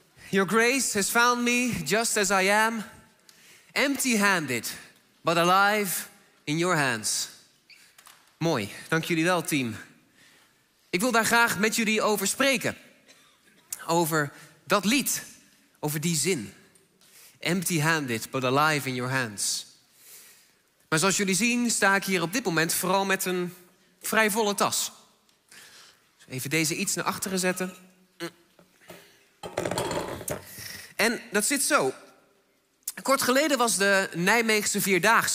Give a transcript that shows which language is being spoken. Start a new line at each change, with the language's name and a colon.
English: Your grace has found me just as I am, empty-handed, but alive in your hands.
Dutch: Mooi, dank jullie wel, team. Ik wil daar graag met jullie over spreken. Over dat lied, over die zin.
English: Empty-handed, but alive in your hands.
Dutch: Maar zoals jullie zien, sta ik hier op dit moment vooral met een vrij volle tas. Even deze iets naar achteren zetten. En dat zit zo. Kort geleden was de Nijmeegse Vierdaagse.